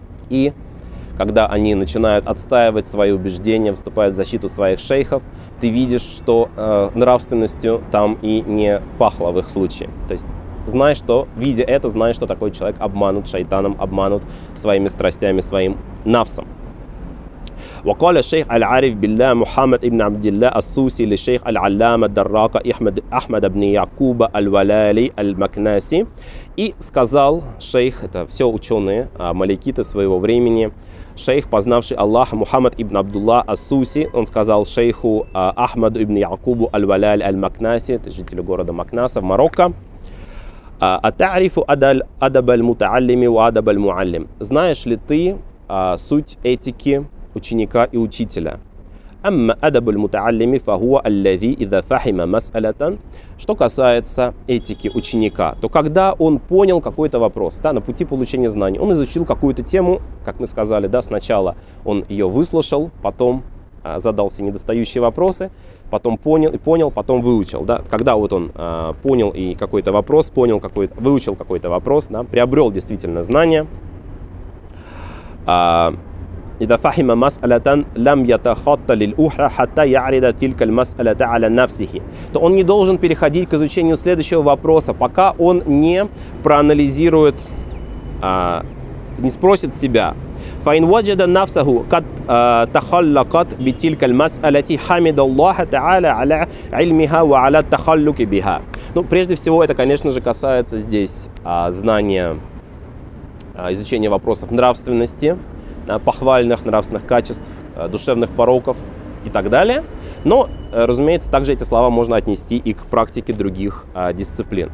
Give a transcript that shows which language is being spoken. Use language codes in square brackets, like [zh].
[ru] И когда они начинают отстаивать свои убеждения, вступают в защиту своих шейхов, ты видишь, что нравственностью там и не пахло в их случае. То есть, знай, что, видя это, знай, что такой человек обманут шайтаном, обманут своими страстями, своим нафсом. [ar] وقال الشيخ العارف بالله محمد ابن عبد الله السوسي للشيخ العلامة الدراقة أحمد بن يعقوب الولالي المكناسي. [ru] И сказал шейх, это все ученые, маликиты своего времени, шейх, познавший Аллаха, Мухаммад ибн Абдулла ас-Суси, он сказал шейху Ахмаду ибн Якубу аль-Валяль аль-Макнаси, это жителю города Макнаса в Марокко, [ar] «Атарифу адаб аль-Мутааллими ва адаб аль-Муаллим». [ru] Знаешь ли ты суть этики ученика и учителя. [ar] Амма адабуль мутаалими фахуа аллази иза фахима масалатан. [ru] Что касается этики ученика, то когда он понял какой-то вопрос, да, на пути получения знаний, он изучил какую-то тему, как мы сказали, да, сначала он ее выслушал, потом задал все недостающие вопросы, потом понял, потом выучил. Да? Когда вот он понял и какой-то вопрос, понял какой-то, выучил какой-то вопрос, да, приобрел действительно знания. [ar] إذا فهم مسألة لم يتخطى للأخرى حتى يعرض تلك المسألة على نفسه. [ru] То он не должен переходить к изучению следующего вопроса, пока он не проанализирует, не спросит себя. [ar] فإن وجد نفسه قد تخلقت بتلك المسألة حمد الله تعالى على علمها وعلى التخلق بها. [ru] Ну, прежде всего, это, конечно же, касается здесь знания, изучения вопросов нравственности, похвальных нравственных качеств, душевных пороков и так далее. Но, разумеется, также эти слова можно отнести и к практике других дисциплин.